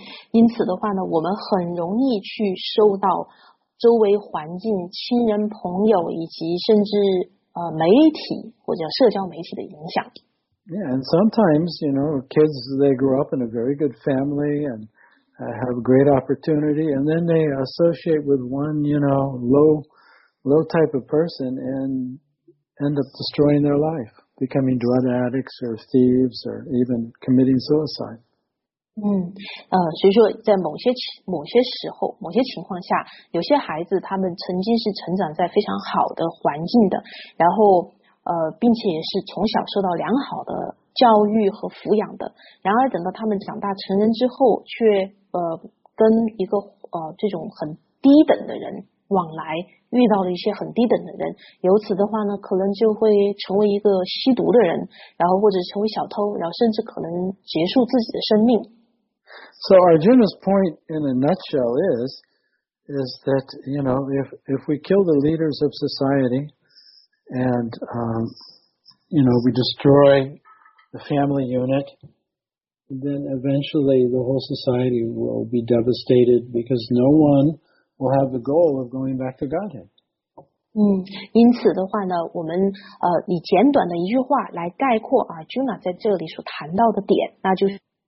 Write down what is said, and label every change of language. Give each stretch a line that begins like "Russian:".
Chinese: 因此的话呢，我们很容易去受到周围环境、亲人、朋友以及甚至媒体或者社交媒体的影响。
English: Yeah, and sometimes, you know, kids, they grow up in a very good family and have a great opportunity, and then they associate with one, you know, low type of person and end up destroying their life. Becoming drug addicts or thieves or even committing suicide.
Chinese: 所以说在某些时候某些情况下，有些孩子他们曾经是成长在非常好的环境的，然后并且也是从小受到良好的教育和抚养的，然而等到他们长大成人之后，却跟一个这种很低等的人往来，遇到了一些很低等的人，由此的话呢，可能就会成为一个吸毒的人，然后或者成为小偷，然后甚至可能结束自己的生命。
English: So Arjuna's point in a nutshell is that, you know, if we kill the leaders of society and, you know, we destroy the family unit, then eventually the whole society will be devastated because no one,will have the goal of going back to Godhead.
Chinese: 因此的话呢，我们以简短的一句话来概括Arjuna在这里所谈到的点，那就是